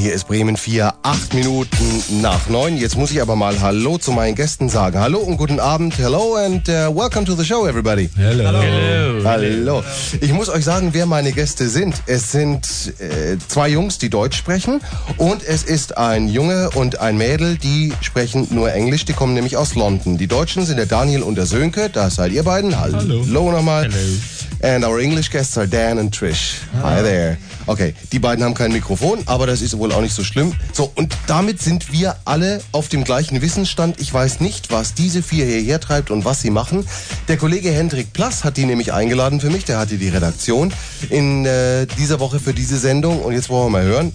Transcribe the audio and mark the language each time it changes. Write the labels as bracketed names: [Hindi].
[German] Hier ist Bremen 4, 8 Minuten nach 9. Jetzt muss ich aber mal Hallo zu meinen Gästen sagen. Hallo und guten Abend. [English] Hello and welcome to the show, everybody. Hello. Hello. [German] Hallo. Ich muss euch sagen, wer meine Gäste sind. Es sind zwei Jungs, die Deutsch sprechen. Und es ist ein Junge und ein Mädel, die sprechen nur Englisch. Die kommen nämlich aus London. Die Deutschen sind der Daniel und der Sönke. Das seid ihr beiden. Hallo. Hallo nochmal. [English] Hello. And our English guests are Dan and Trish. Hi there. [German] Okay, die beiden haben kein Mikrofon, aber das ist wohl auch nicht so schlimm. So, und damit sind wir alle auf dem gleichen Wissensstand. Ich weiß nicht, was diese vier hierher treibt und was sie machen. Der Kollege Hendrik Plass hat die nämlich eingeladen für mich. Der hatte die Redaktion in dieser Woche für diese Sendung. Und jetzt wollen wir mal hören.